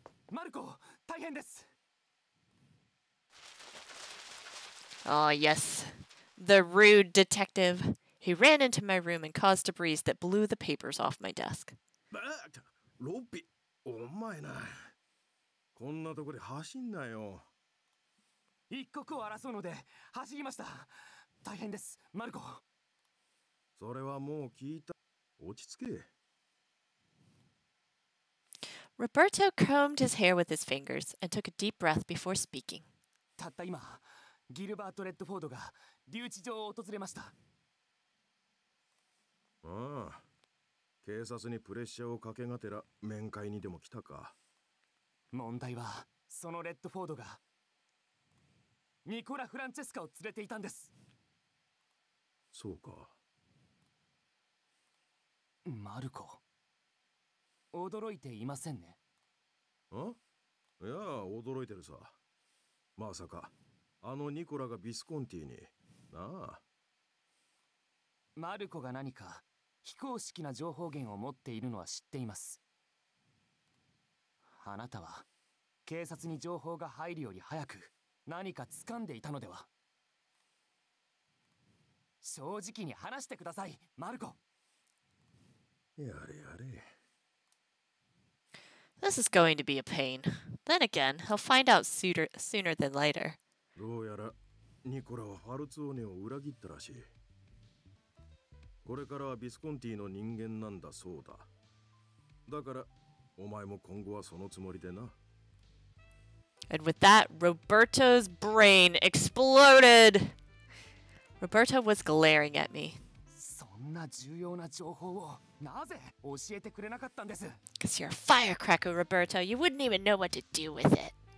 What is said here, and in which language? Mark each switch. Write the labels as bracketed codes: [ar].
[ja] Marco, 大変です。 [en] Oh, yes. The rude detective. He ran into my room and caused a breeze that blew the papers off my desk. But, [ja] Lopi, お前な。こんなとこで走んなよ。一刻を争うので走りました。大変です、マルコ。それはもう聞いた。落ち着け。 [en] Roberto combed his hair with his fingers and took a deep breath before speaking. [ja] たった今。ギルバート・レッドフォードが留置場を訪れました。ああ、警察にプレッシャーをかけがてら面会にでも来たか。問題はそのレッドフォードがニコラ・フランチェスカを連れていたんです。そうか。マルコ、驚いていませんね。あ？いや、驚いてるさ。まさか。あのニコラがビスコンティに、なあ。マルコが何か非公式な情報源を持っているのは知っています。あなたは警察に情報が入るより早く何か掴んでいたのでは。正直に話してください、マルコ。やれやれ。 [en] This is going to be a pain. Then again, he'll find out sooner than later. [ja] どうやらニコラはファルツォーネを裏切ったらしい。これからはビスコンティの人間なんだそうだ。だからお前も今後はそのつもりでな。 [en] And with that, Roberto's brain exploded! Roberto was glaring at me. [ja] そんな重要な情報をなぜ教えてくれなかったんです? [en] Because you're a firecracker, Roberto. You wouldn't even know what to do with it.